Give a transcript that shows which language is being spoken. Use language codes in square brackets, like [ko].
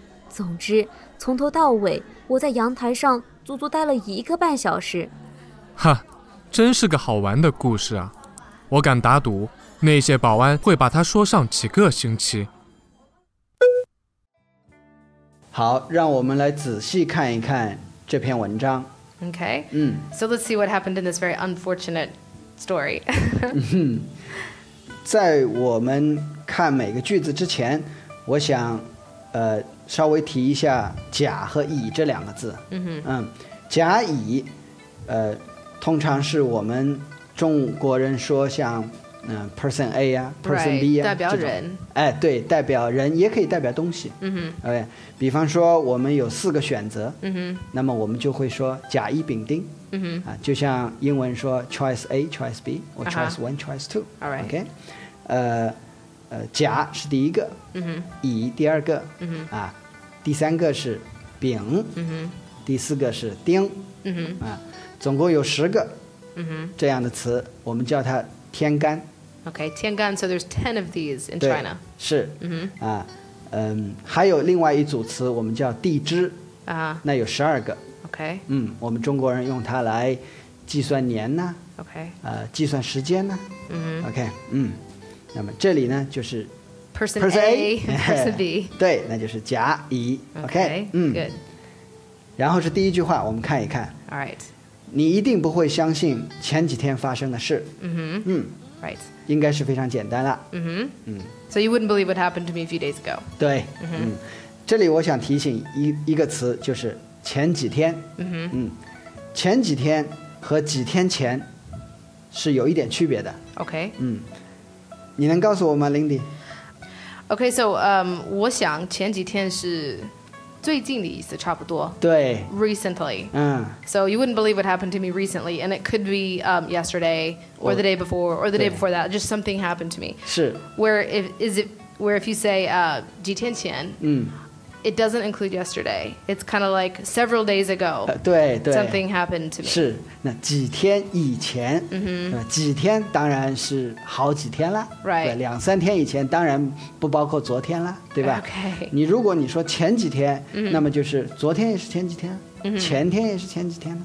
[zh] 总之从头到尾我在阳台上足足待了一个半小时。哈，真是个好玩的故事啊，我敢打赌那些保安会把它说上几个星期。好，让我们来仔细看一看这篇文章。 [en] OK、So let's see what happened in this very unfortunate story. [zh] 在我们看每个句子之前，我想稍微提一下甲和乙这两个字。甲乙通常是我们中国人说像 [en] person A [zh] 啊 [en] person B [zh] 啊、代表人。哎，对，代表人也可以代表东西。嗯哼。 Okay, 比方说我们有四个选择。嗯哼。那么我们就会说甲乙丙丁。嗯哼。 [en] 啊， [zh] 就像英文说 [en] choice A, choice B, or choice one, choice two. All right. [zh] Okay. 甲是第一个。嗯哼。乙第二个。嗯哼。啊，第三个是丙。嗯哼。第四个是丁。嗯哼。啊，总共有10个。嗯哼。这样的词我们叫它天干。 [en] Okay, Tiangan, so there's 10 of these in China. [zh] 对，是。 Mm-hmm. 啊，还有另外一组词我们叫地支。啊、 uh-huh. 那有12个。 [en] Okay. [zh] 我们中国人用它来计算年呢。 [en] Okay. [zh] 计算时间呢。 Mm-hmm. Okay. 那么这里呢就是 [en] Person A, Person B. [zh] 对，那就是甲乙。 [en] Okay. Good. [zh] 然后是第一句话，我们看一看。 [en] All right. [zh] 你一定不会相信前几天发生的事。 [en] Mm-hmm. Right. [zh] 应该是非常简单了。 [en] So you wouldn't believe what happened to me a few days ago. [zh] 对。这里我想提醒一个词，就是前几天。前几天和几天前是有一点区别的。 [en] Okay. [zh] 你能告诉我吗 ，Lindy？ Okay, so 我想前几天是最近的意思，差不多。对。 [en] Recently. 嗯。 So you wouldn't believe what happened to me recently, and it could be yesterday, or the day before, or the day before that. Just something happened to me. [zh] 是。 [en] Where if you say 几天前，it doesn't include yesterday. It's kind of like several days ago. [zh] 对对。 [en] Something happened to me. [zh] 是。那几天以前，几天当然是好几天了。 [en] Right. [zh] 对，两三天以前当然不包括昨天了。对吧？ [en] Okay. [zh] 你如果你说前几天，那么就是昨天也是前几天，前天也是前几天，